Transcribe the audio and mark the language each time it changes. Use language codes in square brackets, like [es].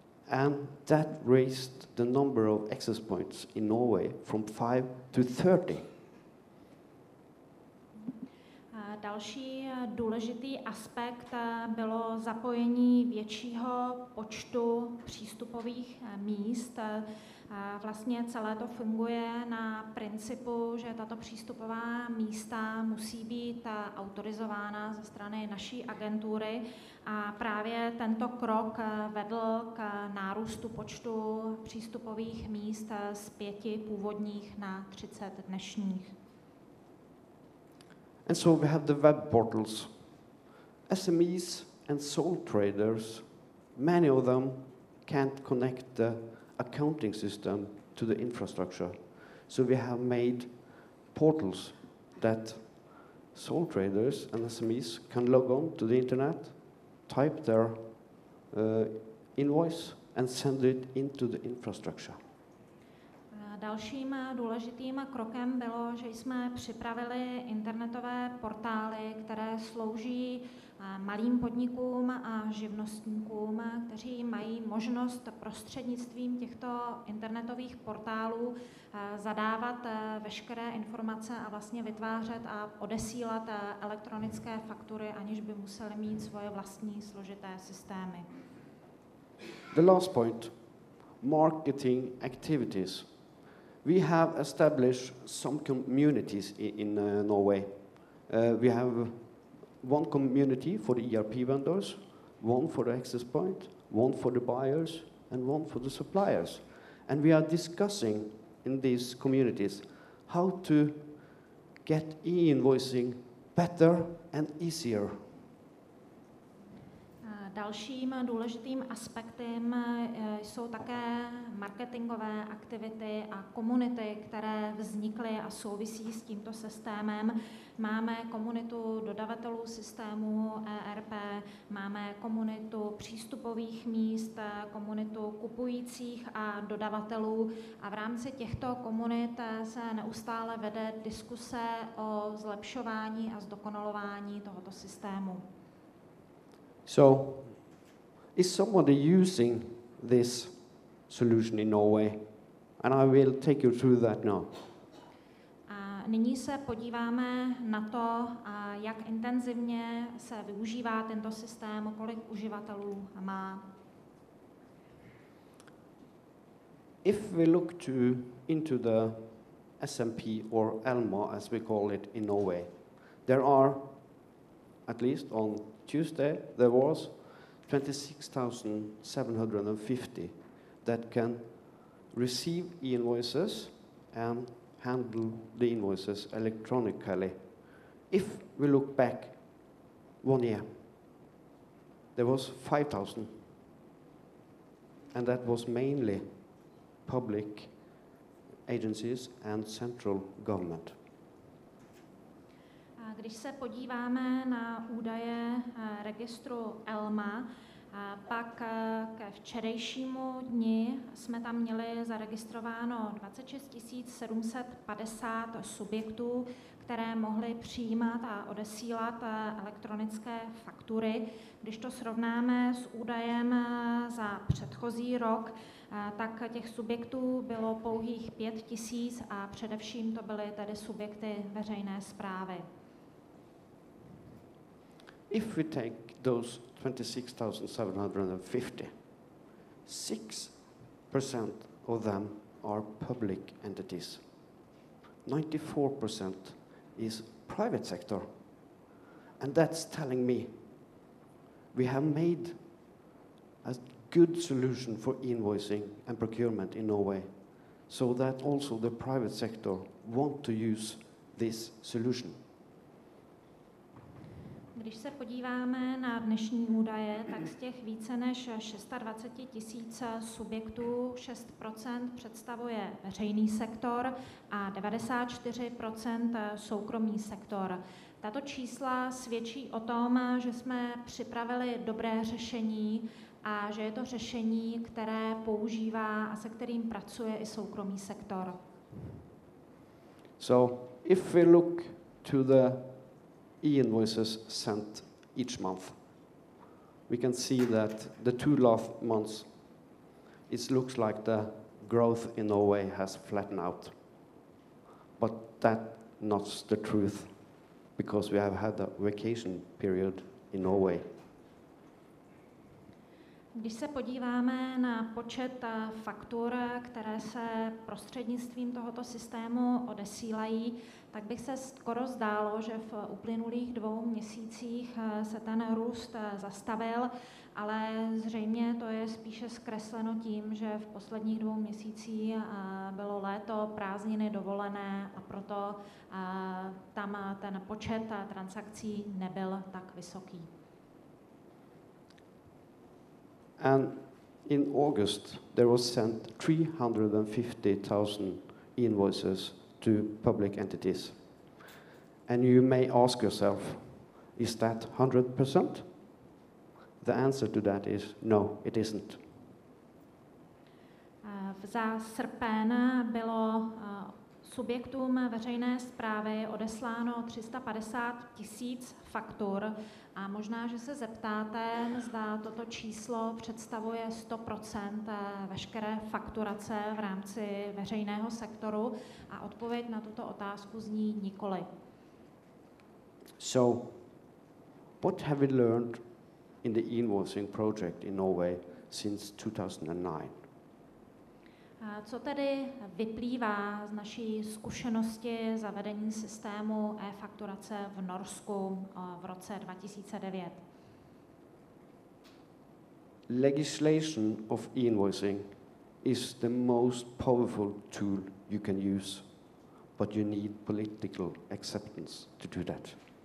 [en] And that raised the number of access points in Norway from 5 to 30. [cs] Další důležitý aspekt bylo zapojení většího počtu přístupových míst. Vlastně celé to funguje na principu, že tato přístupová místa musí být autorizována ze strany naší agentury a právě tento krok vedl k nárůstu počtu přístupových míst z 5 původních na 30 dnešních. [en] And so we have the web portals. SMEs and sole traders, many of them can't connect the accounting system to the infrastructure. So we have made portals that sole traders and SMEs can log on to the internet, type their invoice and send it into the infrastructure. [cs] Dalším důležitým krokem bylo, že jsme připravili internetové portály, které slouží malým podnikům a živnostníkům, kteří mají možnost prostřednictvím těchto internetových portálů zadávat veškeré informace a vlastně vytvářet a odesílat elektronické faktury, aniž by museli mít svoje vlastní složité systémy. [en] The last point, marketing activities. We have established some communities in Norway. We have one community for the ERP vendors, one for the access point, one for the buyers, and one for the suppliers. And we are discussing in these communities how to get e-invoicing better and easier. [cs] Dalším důležitým aspektem jsou také marketingové aktivity a komunity, které vznikly a souvisí s tímto systémem. Máme komunitu dodavatelů systému ERP, máme komunitu přístupových míst, komunitu kupujících a dodavatelů a v rámci těchto komunit se neustále vede diskuse o zlepšování a zdokonalování tohoto systému. [en] So, is somebody using this solution in Norway? And I will take you through that now. [cs] A nyní se podíváme na to, jak intenzivně se využívá tento systém, kolik uživatelů má. [en] If we look into the SMP or ELMA, as we call it in Norway, there are, at least on Tuesday, there was 26,750 that can receive e-invoices and handle the invoices electronically. If we look back 1 year, there was 5,000, and that was mainly public agencies and central government. [cs] Když se podíváme na údaje registru ELMA, A pak ke včerejšímu dni jsme tam měli zaregistrováno 26 750 subjektů, které mohly přijímat a odesílat elektronické faktury. Když to srovnáme s údajem za předchozí rok, tak těch subjektů bylo pouhých 5 000 a především to byly tedy subjekty veřejné správy. [en] If we take those 26,750, 6% of them are public entities. 94% is private sector. And that's telling me we have made a good solution for invoicing and procurement in Norway, so that also the private sector want to use this solution. [cs] Když se podíváme na dnešní údaje, tak z těch více než 26 tisíc subjektů 6% představuje veřejný sektor a 94% soukromý sektor. Tato čísla svědčí o tom, že jsme připravili dobré řešení a že je to řešení, které používá a se kterým pracuje i soukromý sektor. [en] So, if we look to the e-invoices sent each month, we can see that the two last months, it looks like the growth in Norway has flattened out. But that's not the truth, because we have had a vacation period in Norway. [cs] Když se podíváme na počet faktur, které se prostřednictvím tohoto systému odesílají, tak bych se skoro zdálo, že v uplynulých dvou měsících se ten růst zastavil, ale zřejmě to je spíše zkresleno tím, že v posledních dvou měsících bylo léto, prázdniny, dovolené a proto tam ten počet transakcí nebyl tak vysoký. [en] And in August, there was sent 350,000 invoices to public entities. And you may ask yourself, is that 100%? The answer to that is no, it isn't. [cs] Za srpen bylo subjektům veřejné správy odesláno 350 tisíc faktur. A možná, že se zeptáte, zda toto číslo představuje 100% veškeré fakturace v rámci veřejného sektoru. A odpověď na tuto otázku zní nikoli. [en] So, what have we learned in the invoicing project in Norway since 2009? [cs] Co tedy vyplývá z naší zkušenosti zavedení systému e-fakturace v Norsku v roce 2009? [en] Legislation of e-invoicing is the most powerful tool you can use, but you need political acceptance to do that.